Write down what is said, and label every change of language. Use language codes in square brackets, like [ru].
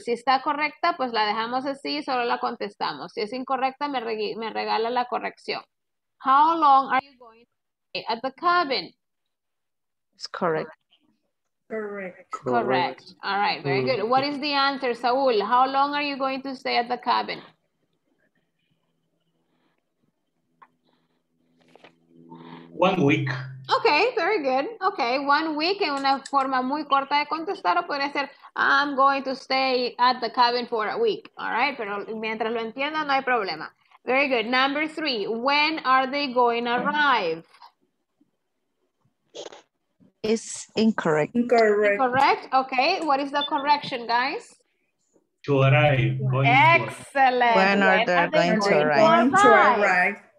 [es] Si está correcta, pues la dejamos así y solo la contestamos. Si es incorrecta, me regala la corrección. [en] How long are you going to stay at the cabin? It's correct. Correct. All right, very good. What is the answer, Saul? How long are you going to stay at the cabin? One week. Okay, very good. Okay, 1 week en una forma muy corta de contestar o podría ser, I'm going to stay at the cabin for a week. [es] All right, pero mientras lo entiendan, no hay problema. [en] Very good. Number three, when are they going to arrive? It's incorrect. Incorrect. Okay, what is the correction, guys? To arrive. Excellent. When are they going to arrive?